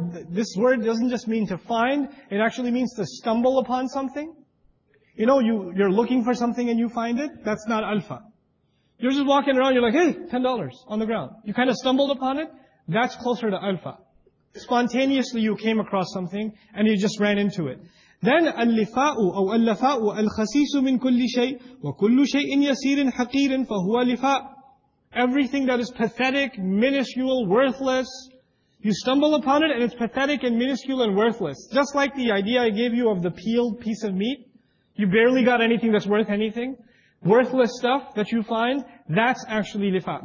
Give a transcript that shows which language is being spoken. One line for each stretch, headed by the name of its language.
English: This word doesn't just mean to find, it actually means to stumble upon something. You know, you're looking for something and you find it, that's not alfa. You're just walking around, you're like, hey, $10 on the ground. You kind of stumbled upon it, that's closer to alfa. Spontaneously you came across something and you just ran into it. Then
Arabic: اللفاؤ أو اللفاء الخسيس من كل شيء وكل شيء يسير حقير فهو لفاء.
English: Everything that is pathetic, minuscule, worthless, you stumble upon it and it's pathetic and minuscule and worthless. Just like the idea I gave you of the peeled piece of meat. You barely got anything that's worth anything. Worthless stuff that you find, that's actually lifa.